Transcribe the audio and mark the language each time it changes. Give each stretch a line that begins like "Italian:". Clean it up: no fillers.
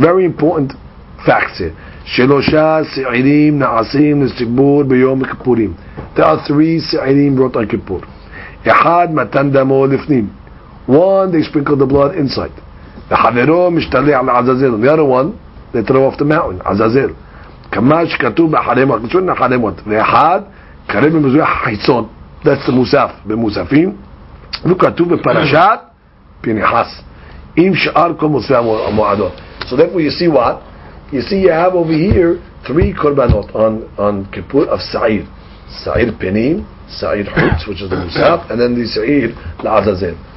English: Very important facts here.
Hebrew: Shelosha se'irim na'asim l'sibur b'yom kippurim.
English: There are three se'irim brought on Kippur.
Hebrew: Echad matan damo l'fnim.
English: One, they sprinkle the blood inside.
Hebrew: וחברו משתלח לעזאזל.
English: The other one, they throw off the mountain, עזאזל.
Hebrew: כמה שכתוב באחרי מות, קשור לאחרי מות. ואחד, קרב במזויח חיצון.
English: That's the מוסף, במוספים. וכתוב בפרשת, פניחס.
Hebrew: עם שאר כל מוספי המועדות.
English: So therefore you see what? You see you have over here three קורבנות on Kippur of Sa'ir. Sa'ir פנים, Sa'ir חוץ, which is the מוסף, and then the Sa'ir לעזאזל.